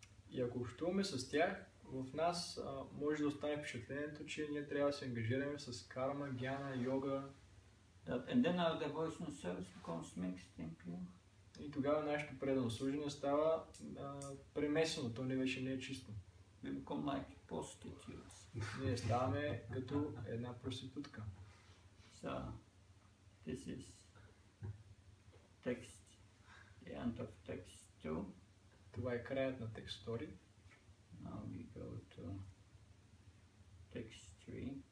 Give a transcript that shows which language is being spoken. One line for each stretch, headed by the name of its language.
Bulgarian: И ако общуваме с тях, в нас може да остане впечатлението, че ние трябва да се ангажираме с карма, гяна, йога.
English: That, and then our devotional service becomes mixed in pure.
Bulgarian: И тогава нашето предано служение става премесено, то не вече не е чисто.
English: We become like prostitutes.
Bulgarian: Ние ставаме като една проститутка.
English: So, this is text, the end of text 2.
Bulgarian: Това е краят на текст 2.
English: Now we go to text 3.